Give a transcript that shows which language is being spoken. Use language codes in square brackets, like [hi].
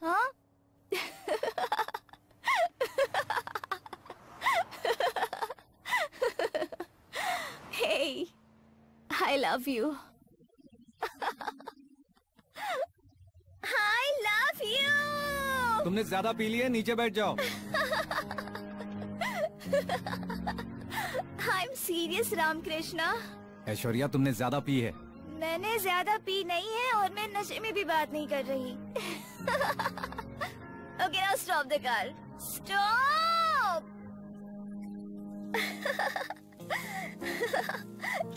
[hi] हाँ। [en] Hey, I love you. I love you. [hi] तुमने ज्यादा पी लिया, नीचे बैठ जाओ। [en] I'm serious, Ramakrishna. [hi] ऐश्वर्या, तुमने ज्यादा पी है। मैंने ज्यादा पी नहीं है और मैं नशे में भी बात नहीं कर रही। [en] Okay, now stop the car. Stop!